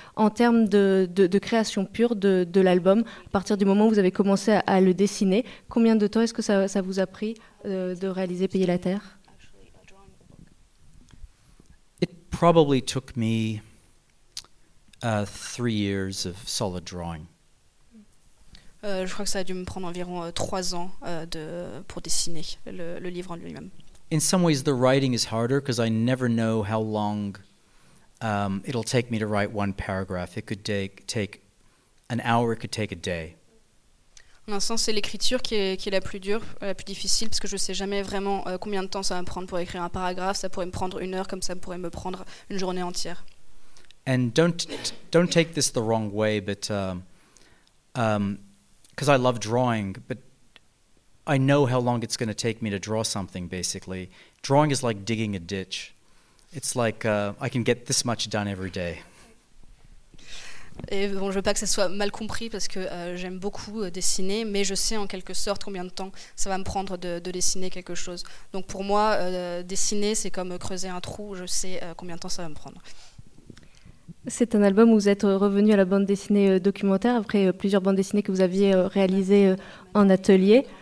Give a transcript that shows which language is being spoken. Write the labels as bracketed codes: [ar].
[fr] En termes de création pure de l'album, à partir du moment où vous avez commencé à le dessiner, combien de temps est-ce que ça vous a pris de réaliser Payer la Terre ? [en] Probably took me 3 years of solid drawing. [fr] Je crois que ça a dû me prendre environ 3 ans pour dessiner le livre en lui-même. [en] In some ways, the writing is harder because I never know how long it'll take me to write one paragraph. It could take an hour, it could take a day. [fr] En un sens, c'est l'écriture qui est la plus dure, la plus difficile, parce que je ne sais jamais vraiment combien de temps ça va me prendre pour écrire un paragraphe. Ça pourrait me prendre une heure, comme ça pourrait me prendre une journée entière. [en] And don't take this the wrong way, but because I love drawing, but I know how long it's going to take me to draw something. Basically, drawing is like digging a ditch. It's like I can get this much done every day. [fr] Et bon, je ne veux pas que ça soit mal compris parce que j'aime beaucoup dessiner, mais je sais en quelque sorte combien de temps ça va me prendre de dessiner quelque chose. Donc pour moi, dessiner, c'est comme creuser un trou, je sais combien de temps ça va me prendre. C'est un album où vous êtes revenu à la bande dessinée documentaire après plusieurs bandes dessinées que vous aviez réalisées en atelier.